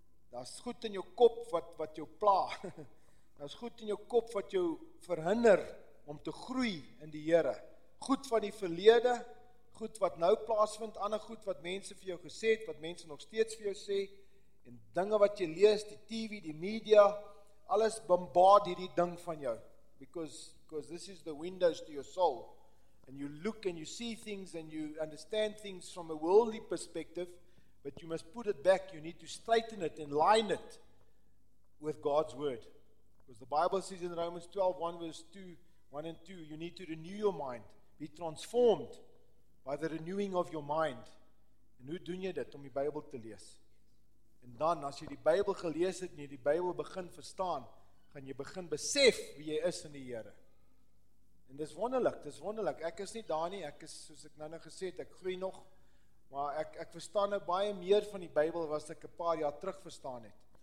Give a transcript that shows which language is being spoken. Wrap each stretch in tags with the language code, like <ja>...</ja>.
<af>Daar's goed in jou kop wat jou pla. Daar's goed in jou kop wat jou verhinder om te groei in die Here. Goed van die verlede, goed wat nou plaasvind, ander goed wat mense vir jou gesê het, wat mense nog steeds vir jou sê, en dinge wat jy lees, die TV, die media, alles bombardeer hierdie ding van jou.</af> <en>Because this is the windows to your soul. And you look and you see things and you understand things from a worldly perspective, but you must put it back, you need to straighten it and line it with God's word. Because the Bible says in Romans 12, 1 verse 2, 1 and 2, you need to renew your mind, be transformed by the renewing of your mind.</en> <af>En hoe doen jy dit? Om die Bybel te lees. En dan, as jy die Bybel gelees het, en jy die Bybel begin verstaan, gaan jy begin besef wie jy is in die Here. En dis wonderlik, ek is nie daar nie, ek is, soos ek nou gesê het, ek groei nog, maar ek verstaan nou baie meer van die Bybel, wat ek 'n paar jaar terug verstaan het.</af>